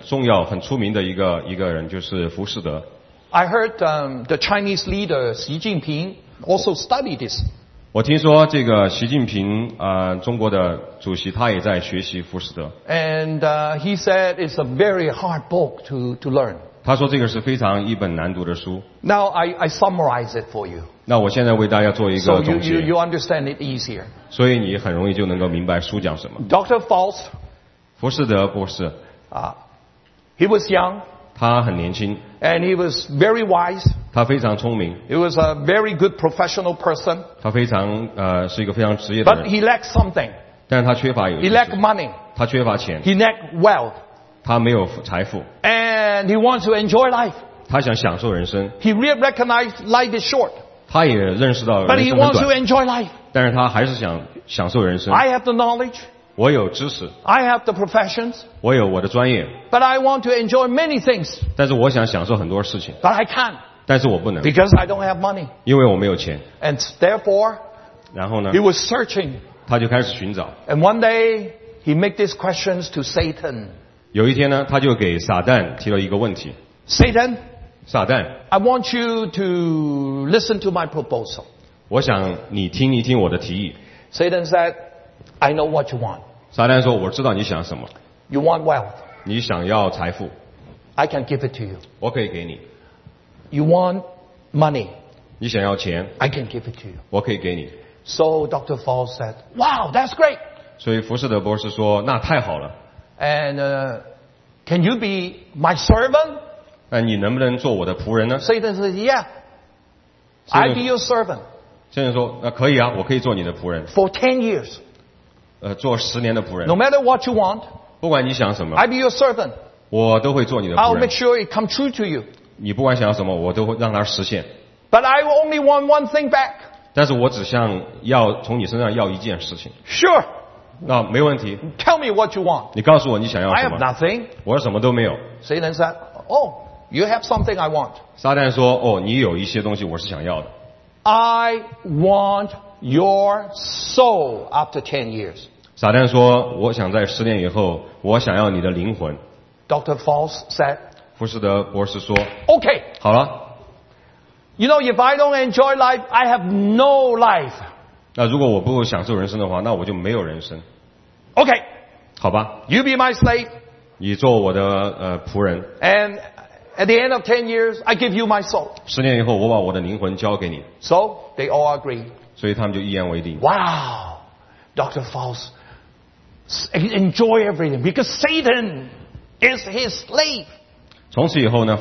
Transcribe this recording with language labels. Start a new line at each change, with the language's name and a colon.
Chinese: 在西方的文学里面，大家可能知道有一个很重要、很出名的一个人，就是浮士德。
English: I heard the Chinese leader Xi Jinping also studied this.
Chinese: 我听说这个习近平，中国的主席，他也在学习浮士德。
English: And he said it's a very hard book to learn.
Chinese: 他说这个是非常一本难读的书。
English: Now I summarize it for you.
Chinese: 那我现在为大家做一个总结。
English: So you understand it easier.
Chinese: 所以你很容易就能够明白书讲什么。
English: Dr. Faust.
Chinese: 浮士德博士。
English: He was young.
Chinese: 他很年轻。
English: And he was very wise.
Chinese: 他非常聪明。
English: He was a very good professional person.
Chinese: 他是一个非常职业的人。
English: But he lacked something.
Chinese: 但是他缺乏有知识。
English: He lacked money.
Chinese: 他缺乏钱。
English: He lacked wealth.
Chinese: 他没有财富。
English: And he wants to enjoy life.
Chinese: 他想享受人生。
English: He recognized life is short.
Chinese: 他也认识到人生很短。
English: But he wants to enjoy life.
Chinese: 但是他还是想享受人生。
English: I have the knowledge.
Chinese: 我有知识。
English: I have the professions.
Chinese: 我有我的专业。
English: But I want to enjoy many things.
Chinese: 但是我想享受很多事情。
English: But I can't.
Chinese: 但是我不能。
English: Because I don't have money.
Chinese: 因为我没有钱。
English: And therefore,
Chinese: 然后呢?
English: He was searching.
Chinese: 他就开始寻找。
English: And one day, he made these questions to Satan.
Chinese: 有一天呢, 他就给撒旦提了一个问题。
English: Satan,
Chinese: 撒旦,
English: I want you to listen to my proposal.
Chinese: 我想你听一听我的提议。
English: Satan said, I know what you want.
Chinese: 撒旦说, 我知道你想什么。
English: You want wealth.
Chinese: 你想要财富。
English: I can give it to you.
Chinese: 我可以给你。
English: You want money.
Chinese: 你想要钱。
English: I can give it to you.
Chinese: 我可以给你。
English: So Dr. Fall said, wow, that's great.
Chinese: 所以福士德博士说, 那太好了。
English: And can you be my servant?
Chinese: 你能不能做我的仆人呢?
English: Satan says, yeah. I be your servant.
Chinese: 圣人说, 可以啊, 我可以做你的仆人。
English: For 10 years.
Chinese: 做10年的仆人。
English: No matter what you want,
Chinese: 不管你想什么,
English: I be your servant.
Chinese: 我都会做你的仆人。
English: I'll make sure it come true to you.
Chinese: 你不管想要什么, 我都会让它实现。
English: But I only want one thing back.
Chinese: 但是我只想要从你身上要一件事情。
English: Sure.
Chinese: 那没问题。
English: Tell me what you want.
Chinese: 你告诉我你想要什么。
English: I have nothing.
Chinese: 我什么都没有。
English: Satan said, oh, you have something I want.
Chinese: 撒旦说, 哦, 你有一些东西我是想要的。
English: I want your soul after 10 years.
Chinese: 撒旦说, 我想在10年以后, 我想要你的灵魂。
English: Dr. Faust said,
Chinese: 福士德博士说,
English: okay.
Chinese: 好了。
English: You know, if I don't enjoy life, I have no life.
Chinese: 那如果我不享受人生的话，那我就没有人生。
English: OK，
Chinese: 好吧。
English: You be my slave，
Chinese: 你做我的仆人。
English: And at the end of 10 years， I give you my soul。
Chinese: 10年以后，我把我的灵魂交给你。
English: So they all agree。
Chinese: 所以他们就一言为定。
English: Wow， Dr. Faust enjoy everything because Satan is his slave。